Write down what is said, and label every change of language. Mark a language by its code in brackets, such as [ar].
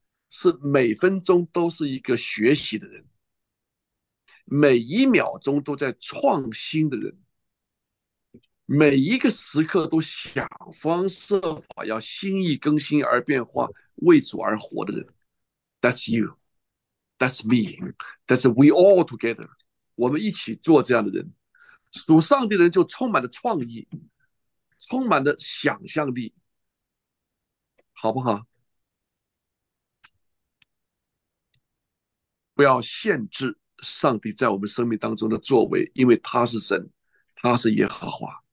[zh] 是每分钟都是一个学习的人，每一秒钟都在创新的人，每一个时刻都想方设法要心意更新而变化，为主而活的人。 [en] That's you, that's me, that's we all together。 [zh] 我们一起做这样的人，属上帝的人就充满了创意，充满了想象力，好不好？不要限制上帝在我们生命当中的作为，因为他是神，他是耶和华。